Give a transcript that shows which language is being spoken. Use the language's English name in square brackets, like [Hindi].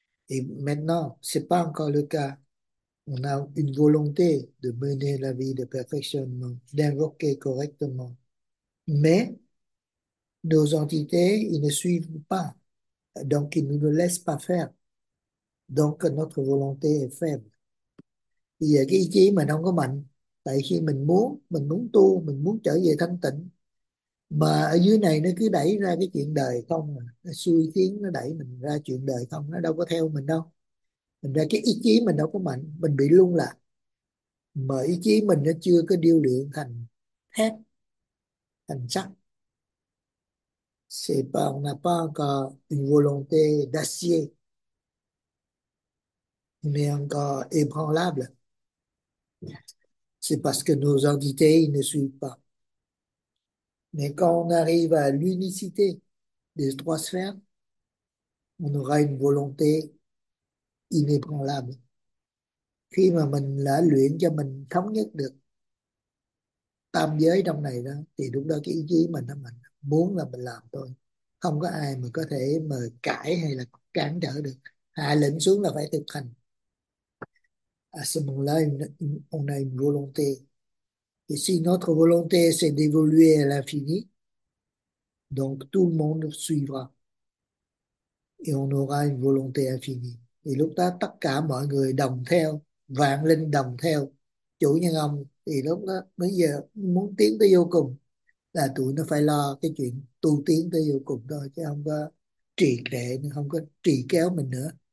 [French] Et maintenant, ce n'est pas encore le cas. On a une volonté de mener la vie de perfectionnement, d'invoquer correctement. Mais nos entités, ils ne suivent pas. Donc, ils ne nous laissent pas faire. Donc, notre volonté est faible. [Vietnamese] Bây giờ cái ý chí mình không có mạnh. Tại khi mình muốn tu, mình muốn trở về thanh tịnh. Mà ở dưới này nó cứ đẩy ra cái chuyện đời không. Nó xui khiến nó đẩy mình ra chuyện đời không. Nó đâu có theo mình đâu. Mình ra cái ý chí mình đâu có mạnh. Mình bị lung lạc. Mà ý chí mình nó chưa có điêu luyện thành thép, thành sắt. [French] C'est pas, on n'a pas encore une volonté d'acier. On est encore ébranlable. C'est parce que nos entités ils ne suivent pas. Mais quand on arrive à l'unicité des trois sphères, on aura une volonté inébranlable. [Vietnamese] Khi mà mình đã luyện cho mình thống nhất được tam giới trong này đó, thì lúc đó cái ý chí mình nó mạnh. Muốn là mình làm thôi, không có ai mà có thể mà cãi hay là cản trở được. Hạ lệnh xuống là phải thực hành. [French] À, ce moment-là, on a une volonté. Et si notre volonté, c'est d'évoluer à l'infini, donc tout le monde suivra. Et on aura une volonté infinie. Et [Vietnamese] lúc đó, tất cả mọi người đồng theo, vạn linh đồng theo, chủ nhân ông, thì lúc đó, bây giờ muốn tiến tới vô cùng, là tụi nó phải lo cái chuyện tu tiến tới vô cùng thôi, chứ không có trì trệ, không có trì kéo mình nữa.